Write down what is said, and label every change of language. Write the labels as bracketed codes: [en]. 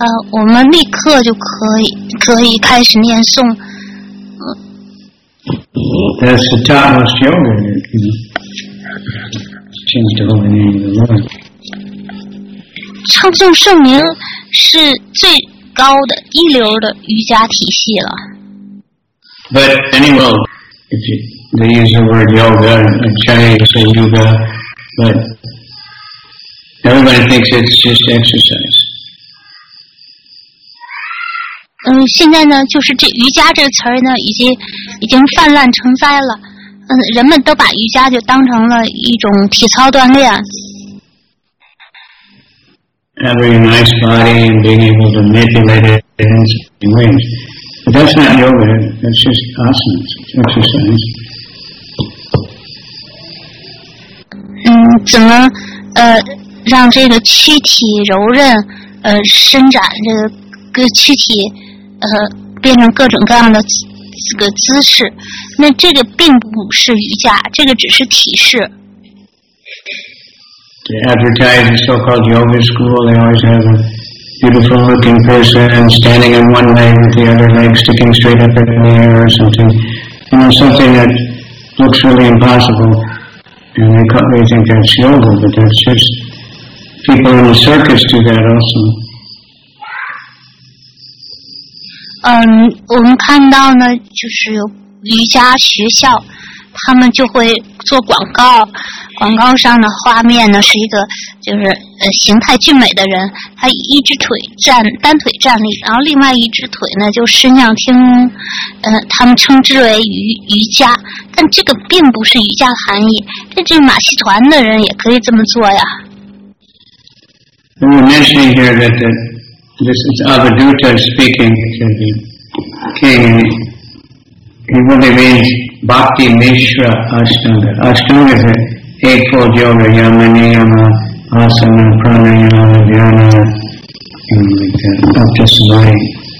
[zh] 我们立刻就可以开始念诵。 [en] That's the topmost yoga, you know. Change the holy name of the Lord. [zh] 唱诵圣名是最高的一流的瑜伽体系了。 [en] But anyway, if you, they use the word yoga, in Chinese they say yoga, but everybody thinks it's just exercise. [zh] 嗯，现在呢，就是这瑜伽这个词儿呢，已经泛滥成灾了。嗯，人们都把瑜伽就当成了一种体操锻炼。 [en] Having a nice body and being able to manipulate it in different ways. But that's not yoga, that's just asanas, exercise. [zh] 嗯，怎么让这个躯体柔韧伸展这个躯体变成各种各样的这个姿势，那这个并不是瑜伽，这个只是体式。 [en] To advertise the so-called yoga school, they always have a beautiful looking person standing on one leg with the other leg sticking straight up in the air or something. You know, something that looks really impossible. And they think that's yoga, but that's just people in the circus do that also. [zh] 嗯，我们看到呢，就是有瑜伽学校，他们就会做广告，广告上的画面呢是一个就是形态俊美的人，他一只腿站单腿站立，然后另外一只腿呢就伸向天空，他们称之为瑜伽，但这个并不是瑜伽的含义，但这马戏团的人也可以这么做呀。 [en] We mentioned here that the this is Avadhuta speaking to the king. He really means Bhakti Mishra Ashtanga. Ashtanga is an eightfold yoga, Yama Niyama, Asana, Pranayama, Dhyana, and like that, just Samadhi.